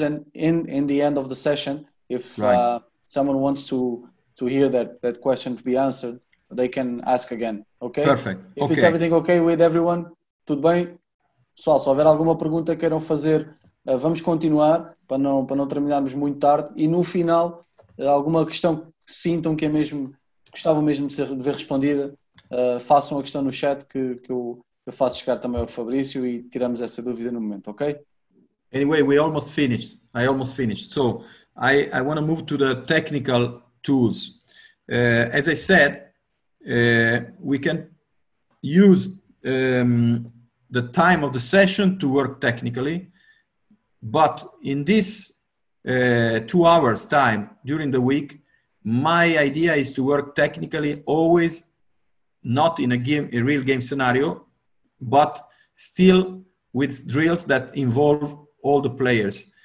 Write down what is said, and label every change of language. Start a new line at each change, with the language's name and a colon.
English: And in the end of the session, if someone wants to hear that question to be answered, they can ask again. Okay. Perfect. If it's everything okay with everyone,
Portuguese: tudo bem. Pessoal, se houver alguma pergunta queiram fazer, vamos continuar para não terminarmos muito tarde. E no final, alguma questão que sintam que é mesmo gostavam mesmo de ver respondida. Façam a questão no chat que eu faço chegar também ao Fabrício e tiramos essa dúvida no momento, ok?
English: Anyway, we almost finished. I almost finished. So, I want to move to the technical tools. As I said, we can use the time of the session to work technically, but in this 2 hours time during the week, my idea is to work technically always, not in a real game scenario, but still with drills that involve all the players.